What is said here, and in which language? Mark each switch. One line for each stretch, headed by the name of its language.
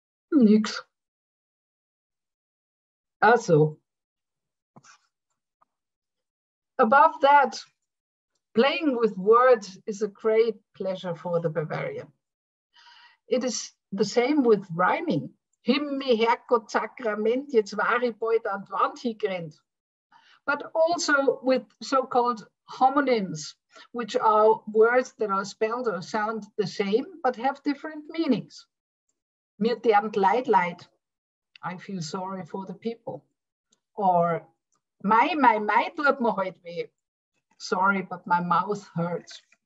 German: Nix.
English: Also, above that, playing with words is a great pleasure for the Bavarian. It is the same with rhyming.
German: Himmi, Herrgott, Sakrament, jetzt war ich bald an die Wand gerannt.
English: But also with so-called homonyms, which are words that are spelled or sound the same, but have different meanings.
German: Mir dernt leid leid,
English: I feel sorry for the people. Or
German: mei, tut mir heute weh,
English: sorry, but my mouth hurts.